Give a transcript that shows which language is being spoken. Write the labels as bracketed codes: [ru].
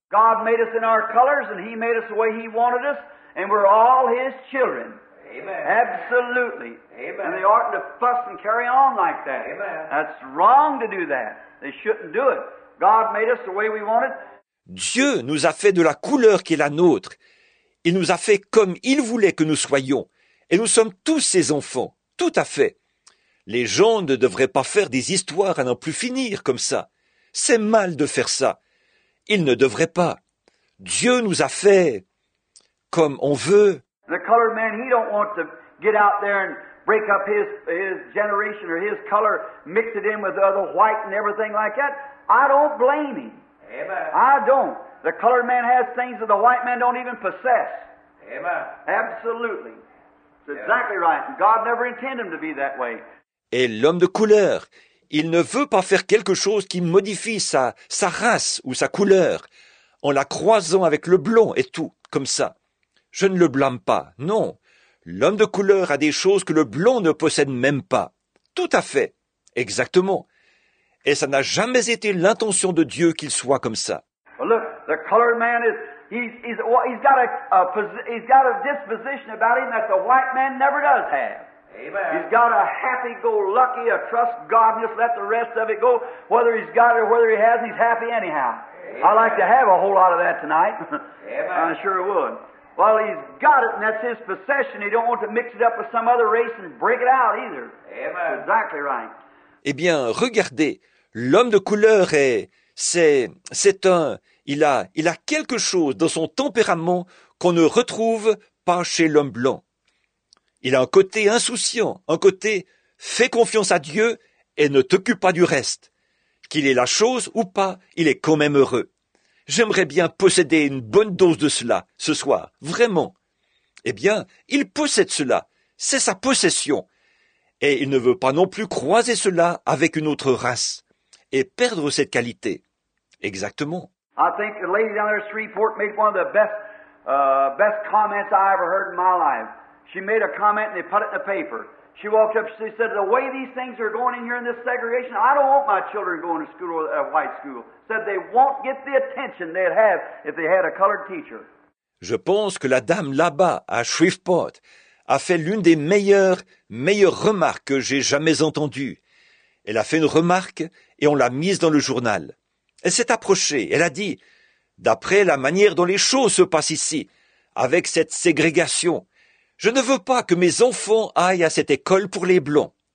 [en] God made us in our colors, and he made us the way he wanted us, and we're all his children. Amen. Absolutely. Amen. And they oughtn't to fuss and carry on like that. Amen. That's wrong to do that. They shouldn't do it. God made us the way we wanted. [fr] Dieu nous a fait de la couleur qui est la nôtre. Il nous a fait comme il voulait que nous soyons. Et nous sommes tous ses enfants. Tout à fait. Les gens ne devraient pas faire des histoires à n'en plus finir comme ça. C'est mal de faire ça. Il ne devrait pas. Dieu nous a fait comme on veut. [en] The colored man, he don't want to get out there and break up his generation or his color, mix it in with the other white and everything like that. I don't blame him. Amen. I don't. The colored man has things that the white man don't even possess. Amen. Absolutely. It's exactly right. God never intended him to be that way. [fr] Et l'homme de couleur, il ne veut pas faire quelque chose qui modifie sa race ou sa couleur en la croisant avec le blond et tout, comme ça. Je ne le blâme pas, non. L'homme de couleur a des choses que le blond ne possède même pas. Tout à fait, exactement. Et ça n'a jamais été l'intention de Dieu qu'il soit comme ça. [en] Well, look, the colored man is, he's got a disposition about him that the white man never does have. Amen. He's got a happy-go-lucky, a trust-godness, let the rest of it go. Whether he's got it or whether he hasn't, he's happy anyhow. Amen. I'd like to have a whole lot of that tonight. Amen. I sure would. Well, he's got it, and that's his possession. He don't want to mix it up with some other race and break it out either. Amen. Exactly right. [fr] Eh bien, regardez, l'homme de couleur est, c'est un, il a quelque chose dans son tempérament qu'on ne retrouve pas chez l'homme blanc. Il a un côté insouciant, un côté « fais confiance à Dieu et ne t'occupe pas du reste ». Qu'il ait la chose ou pas, il est quand même heureux. J'aimerais bien posséder une bonne dose de cela ce soir, vraiment. Eh bien, il possède cela, c'est sa possession. Et il ne veut pas non plus croiser cela avec une autre race et perdre cette qualité. Exactement. [en] I think the lady down there at Shreveport made one of the best comments I ever heard in my life. She made a comment and they put it in the paper. She walked up, she said, the way these things are going in here in this segregation, I don't want my children going to school or a white school. Said they won't get the attention they'd have if they had a colored teacher. [fr] Je pense que la dame là-bas, à Shreveport, a fait l'une des meilleures remarques que j'ai jamais entendues. Elle a fait une remarque et on l'a mise dans le journal. Elle s'est approchée, elle a dit, d'après la manière dont les choses se passent ici, avec cette ségrégation, je ne veux pas que mes enfants aillent à cette école pour les blonds.